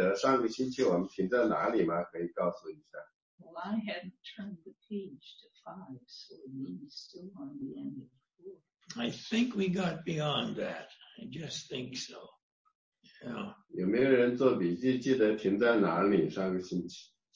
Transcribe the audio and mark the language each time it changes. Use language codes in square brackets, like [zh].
[zh] 你们中间有谁记得上个星期我们停在哪里吗？可以告诉一下。 [en] Well, I hadn't turned the page to 5, so we're still on the end of 4. I think we got beyond that. I just think so. Yeah. [zh] 有没有人做笔记记得停在哪里上个星期？